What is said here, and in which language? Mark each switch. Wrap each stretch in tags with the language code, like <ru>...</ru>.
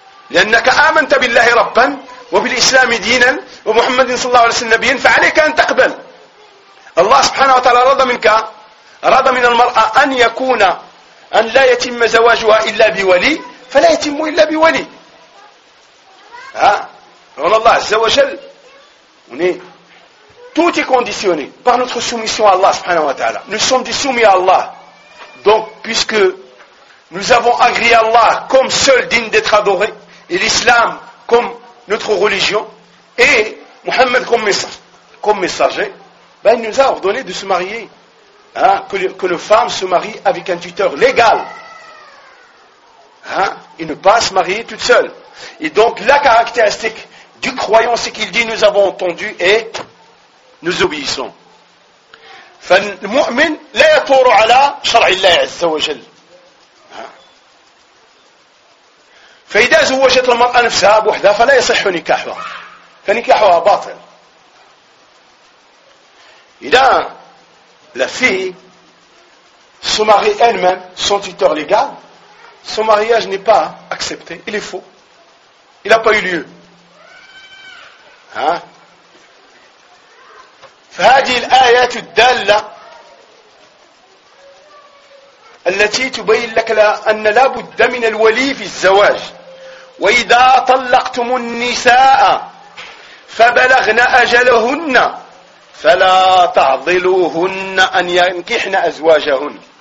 <ar>لأنك آمنت بالله ربا وبالإسلام دينا ومحمد صلى الله عليه وسلم نبيا, فعليك أن تقبل. الله سبحانه وتعالى رضى منك, رضى من المرأة أن يكون, أن لا يتم زواجها إلا بولي, فلا يتم إلا بولي. ها؟ قال الله عز وجل</ar> <fr>tout est conditionné par notre soumission à Allah subhanahu wa ta'ala. Nous sommes des soumis à Allah. Donc, puisque nous avons agréé Allah comme seul digne d'être adoré, et l'islam comme notre religion, et Muhammad comme messager, ben, il nous a ordonné de se marier. Hein, que les femmes se marient avec un tuteur légal. Hein, et ne pas se marier toute seule. Et donc, la caractéristique du croyant, c'est qu'il dit, nous avons entendu et nous obéissons.</fr> <ar>فالمؤمن لا يثور على شرع الله عز وجل. فإذا زوجت المرأة نفسها بوحدها فلا يصح نكاحها, فنكاحها باطل.</ar> <fr>إذا la fille se marie elle-même sans tuteur légal, son mariage n'est pas accepté, il est faux, il n'a pas eu lieu.</fr> <ar>فهذه الآيات الدالة التي تبين لك أن لا بد من الولي في الزواج. وإذا طلقتم النساء فبلغن أجلهن فلا تعضلوهن أن ينكحن أزواجهن.</ar>